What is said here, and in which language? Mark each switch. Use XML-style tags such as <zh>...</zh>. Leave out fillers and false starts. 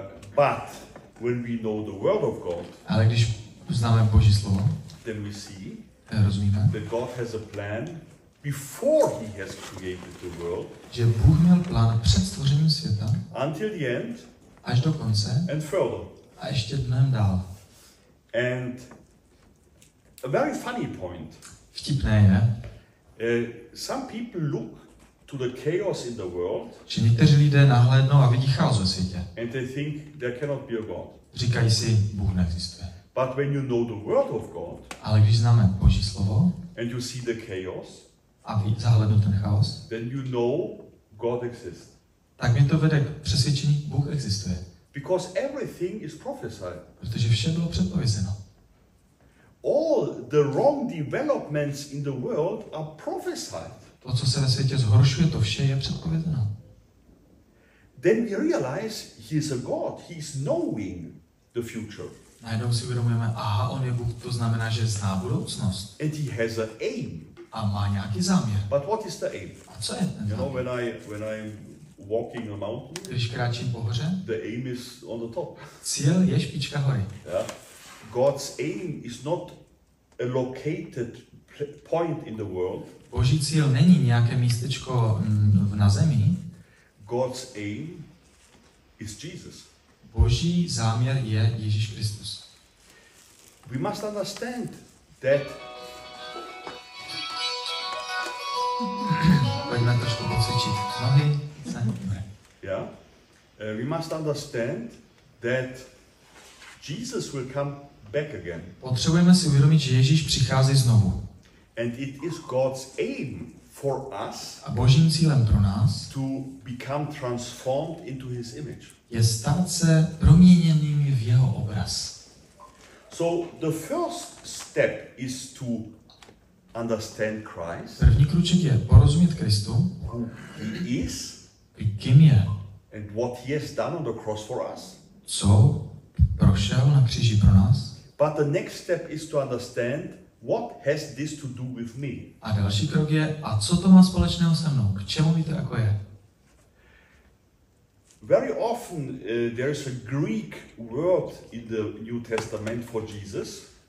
<en>But when we know the word of God,</en> <cs>ale když známe Boží slovo,</cs> <en>then we see,</en> <cs>rozumíme,</cs> <en>that God has a plan before He has created the world,</en> <cs>že Bůh měl plán před stvořením světa,</cs> <en>until the end,</en> <cs>až do konce,</cs> <en>and further,</en> <cs>a ještě dnem dál.</cs> <en>And a very funny point,</en> <cs>vtipné je,</cs> <en>some people look to the chaos in the world.</en> <cs>Že někteří lidé nahlédnou a vidí chaos ve světě.</cs> <en>And they think there cannot be a God.</en> <cs>Říkají si, Bůh neexistuje.</cs> <en>But when you know the word of God.</en> <cs>Ale když známe Boží slovo.</cs> <en>And you see the chaos.</en> <cs>A vidíte zahlédnou ten chaos.</cs> <en>Then you know God exists.</en> <cs>Tak mě to vede k přesvědčení, Bůh existuje.</cs> <en>Because everything is prophesied.</en> <cs>Protože vše bylo předpovězeno.</cs> <en>All the wrong developments in the world are prophesied.</en> <cs>To, co se ve světě zhoršuje, to vše je předpovězeno.</cs> <en>Then we realize he is a God. He is knowing the future.</en> <cs>Najednou si uvědomujeme, aha, on je Bůh, to znamená, že zná budoucnost.</cs> <en>And he has an aim.</en> <cs>A má nějaký záměr.</cs> <en>But what is the aim?</en> <cs>A co je ten záměr?</cs> <en>You know, when I'm walking a mountain.</en> <cs>Když kráčím po hoře.</cs> <en>The aim is on the top.</en> <cs>Cíl je špička hory.</cs> <en>Yeah. God's aim is not a located point in the world.</en> <cs>Boží cíl není nějaké místečko na zemi.</cs> <en>God's aim is Jesus.</en> <cs>Boží záměr je Ježíš Kristus.</cs> <en>We must understand that.</en> <cs>Pojďme trošku pocvičit. Nohy, sanitme.</cs> <en>Yeah. We must understand that Jesus will come back again.</en> <cs>Potřebujeme si uvědomit, že Ježíš přichází znovu.</cs> <en>And it is God's aim for us.</en> <cs>A Božím cílem pro nás</cs> <en>to become transformed into his image.</en> <cs>Je stát se proměněnými v jeho obraz.</cs> <en>So the first step is to understand Christ.</en> <cs>První kruček je porozumět Kristu.</cs> <en>Who he is?</en> <cs>Kým je?</cs> <en>And what he has done on the cross for us?</en> <cs>Co prošel na kříži pro nás?</cs> <en>But the next step is to understand what has this to do with me?</en> <cs>A další krok je, a co to má společného se mnou? K čemu mi to jako je?</cs> <en>Very often there is a Greek word in the New Testament for Jesus.</en>